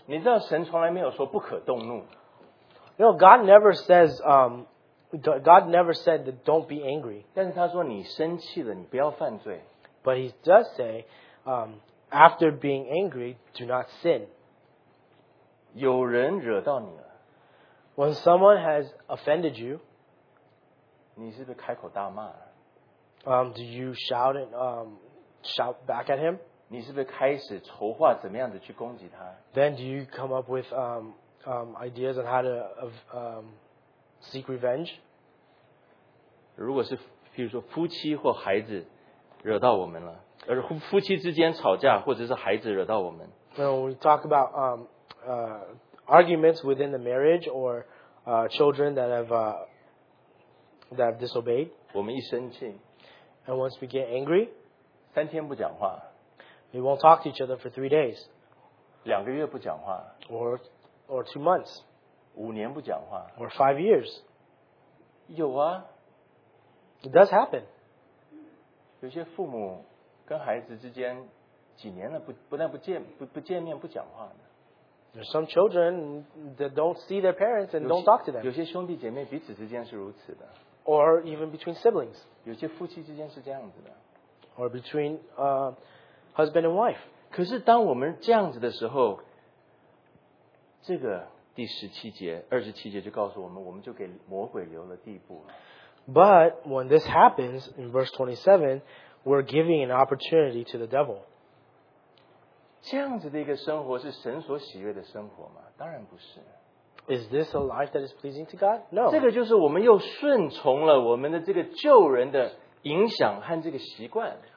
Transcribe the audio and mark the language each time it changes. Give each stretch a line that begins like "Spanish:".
Chinese: 你知道神从来没有说不可动怒。
English: You know, God never says, God never said that don't be angry.
Chinese: 但是他说你生气了，你不要犯罪。
English: But he does say, after being angry, do not sin.
Chinese: 有人惹到你了。
English: When someone has offended you,
Chinese: 你是不是开口大骂了？
English: Do you shout and shout back at him?
Chinese: 你是不是开始筹划怎么样的去攻击他？
English: Then do you come up with ideas on how to seek revenge?
Chinese: 如果是譬如说夫妻或孩子。惹到我们了，而夫妻之间吵架，或者是孩子惹到我们。
English: When we talk about arguments within the marriage or children that have disobeyed,
Chinese: 我们一生气
English: ，and once we get angry,
Chinese: 三天不讲话
English: ，we won't talk to each other for 3 days,
Chinese: 两个月不讲话
English: ，or 2 months,
Chinese: 五年不讲话
English: ，or 5 years,
Chinese: 有啊
English: ，it does happen.
Chinese: 有些父母跟孩子之间几年了不见面不讲话的。
English: There's some children that don't see their parents and don't talk to them.
Chinese: 有些兄弟姐妹彼此之间是如此的。
English: Or even between siblings.
Chinese: 有些夫妻之间是这样子的。
English: Or between husband and wife.
Chinese: 可是当我们这样子的时候，这个第十七节、二十七节就告诉我们，我们就给魔鬼留了地步了。
English: But when this happens, in verse 27, we're giving an opportunity to the devil.
Chinese: 这样子的一个生活是神所喜悦的生活吗？当然不是。
English: Is this a life that is pleasing to God? No.
Chinese: 这个就是我们又顺从了我们的这个旧人的影响和这个习惯。